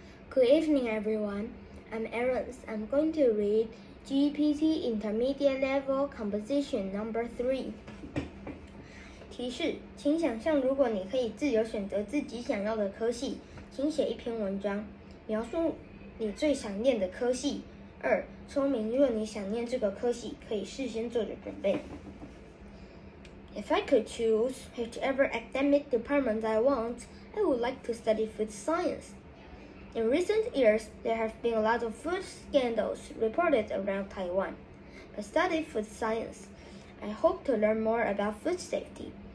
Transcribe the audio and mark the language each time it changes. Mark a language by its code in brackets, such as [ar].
[en] Good evening, everyone. I'm Aaron. I'm going to read GPT Intermediate Level Composition No. 3. [zh] 提示，请想象如果你可以自由选择自己想要的科系，请写一篇文章，描述你最想念的科系。二，说明如果你想念这个科系，可以事先做着准备。 [en] If I could choose whichever academic department I want, I would like to study food science. In recent years, there have been a lot of food scandals reported around Taiwan. I studied food science. I hope to learn more about food safety.